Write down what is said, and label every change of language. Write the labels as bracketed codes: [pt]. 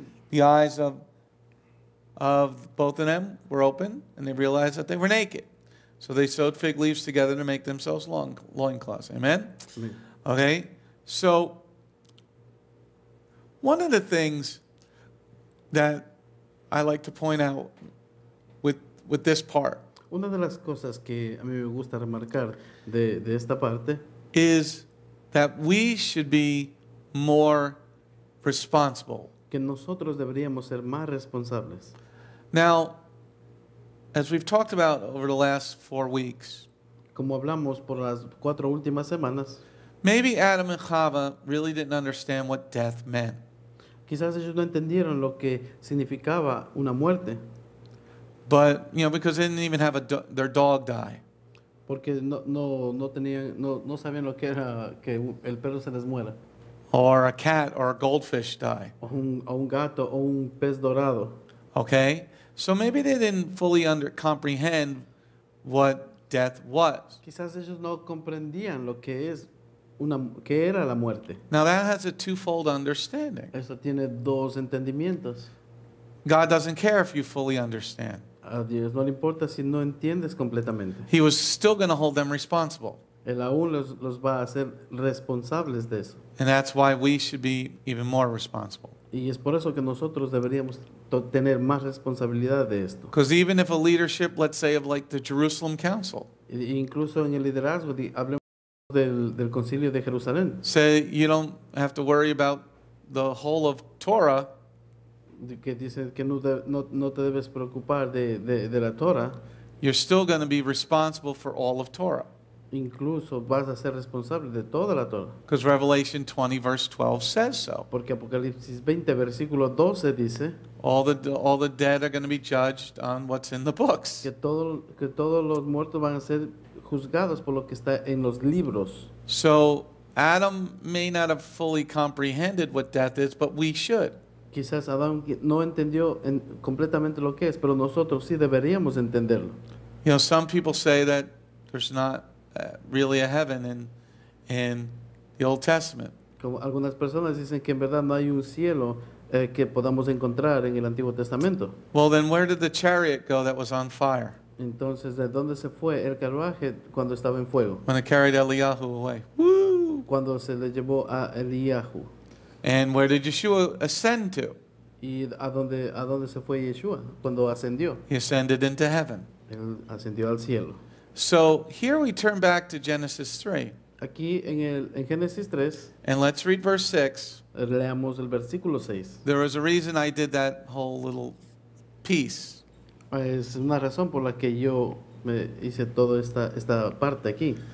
[en] The eyes of both of them were open, and they realized that they were naked. So they sewed fig leaves together to make themselves loincloths. Amen? Okay. So, one of the things that I like to point out with this part. [es] Una de las cosas que a mí me gusta remarcar de esta parte. [en] Is that we should be more responsible. [es] Que nosotros deberíamos ser más responsables. [en] Now, as we've talked about over the last 4 weeks, [es] como hablamos por las cuatro últimas semanas, [en] maybe Adam and Chava really didn't understand what death meant. [es] Quizás ellos no entendieron lo que significaba una muerte. [en] But, you know, because they didn't even have their dog die. [es] Porque no sabían lo que era que el perro se les muera. [en] Or a cat or a goldfish die. [es] O un gato o un pez dorado. [en] Okay? So maybe they didn't fully comprehend what death was. [es] Quizás ellos no comprendían lo que es que era la muerte. [en] Now that has a twofold understanding. [es] Eso tiene dos entendimientos. [en] God doesn't care if you fully understand. [es] A Dios no le importa si no entiendes completamente. [en] He was still going to hold them responsible. [es] Él aún los va a hacer responsables de eso. [en] And that's why we should be even more responsible. [es] Y es por eso que nosotros deberíamos tener más responsabilidad de esto. [en] Because even if a leadership, let's say, of like the Jerusalem Council. [es] Incluso en el liderazgo, hablemos del Concilio de Jerusalén. [en] Say you don't have to worry about the whole of Torah. [es] Que dice que no te debes preocupar de la Torah. [en] You're still going to be responsible for all of Torah. [es] Incluso vas a ser responsable de toda la Torah. [en] Because Revelation 20 verse 12 says so. [es] Porque Apocalipsis 20 versículo 12 dice. [en] All the dead are going to be judged on what's in the books. [es] Que todos los muertos van a ser juzgados por lo que está en los libros. [en] So Adam may not have fully comprehended what death is, but we should. [es] Quizás Adam no entendió completamente lo que es, pero nosotros sí deberíamos entenderlo. [en] You know, some people say that there's not really a heaven in the Old Testament. [es] Como algunas personas dicen que en verdad no hay un cielo que podamos encontrar en el Antiguo Testamento. [en] Well, then where did the chariot go that was on fire? [es] Entonces, ¿de dónde se fue el carruaje cuando estaba en fuego? [en] When it carried Eliyahu away. Woo! [es] cuando se le llevó a Eliyahu. [en] And where did Yeshua ascend to? [es] ¿Y a dónde se fue Yeshua cuando ascendió? [en] He ascended into heaven. [es] Él ascendió al cielo. [en] So here we turn back to Genesis 3. [es] Aquí en Génesis 3. [en] And let's read verse 6. [es] Leamos el versículo 6. [en] There was a reason I did that whole little piece. [es] Es una razón por la que yo me hice toda esta parte aquí.